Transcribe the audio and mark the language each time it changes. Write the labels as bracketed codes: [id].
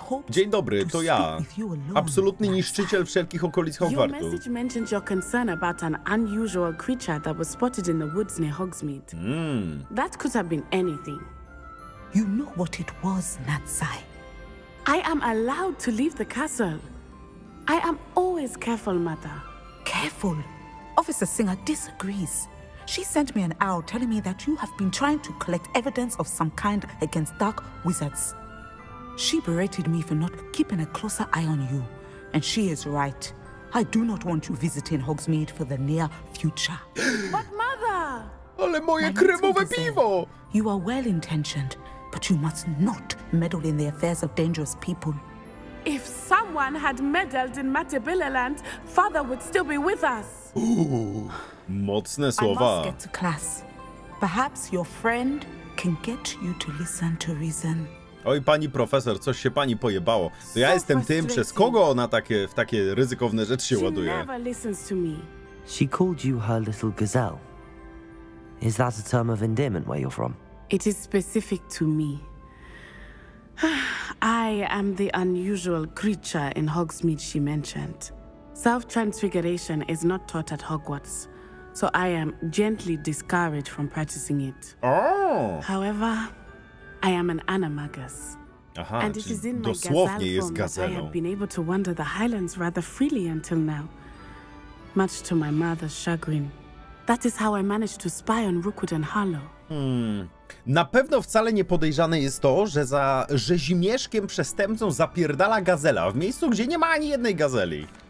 [pl] Dzień dobry, to ja. Absolutny niszczyciel wszelkich okolic Hogwartu. [en] Your message mentioned your concern about an unusual creature that was spotted in the woods near Hogsmeade. That could have been anything. You know what it was, Natsai. I am allowed to leave the castle. I am always careful, Mother. Careful? Officer Singer disagrees. She sent me an owl telling me that you have been trying to collect evidence of some kind against dark wizards. She berated me for not keeping a closer eye on you. And she is right. I do not want you visiting Hogsmeade for the near future. But mother! [pl] Ale moje kremowe piwo! [en] You are well-intentioned, but you must not meddle in the affairs of dangerous people. If someone had meddled in Matabeleland, father would still be with us. [pl] Mocne słowa. [en] I must get to class. Perhaps your friend can get you to listen to reason. [pl] Oj, pani profesor, coś się pani pojebało. To ja jestem tym, przez kogo ona takie, w takie ryzykowne rzeczy się ładuje. [en] She called you her little gazelle. Is that a term of endearment where you're from? It is specific to me. I am the unusual creature in Hogsmeade she mentioned. Self-transfiguration is not taught at Hogwarts, so I am gently discouraged from practicing it. Oh. However, I am an animagus. Aha, and it is in dosłownie my jest gazelą. I have been able to wander the highlands rather freely until now. Much to my mother's chagrin. That is how I managed to spy on Rookwood and Harlow. [pl] Na pewno wcale nie podejrzane jest to, że za rzezimieszkiem przestępcą zapierdala gazela w miejscu, gdzie nie ma ani jednej gazeli.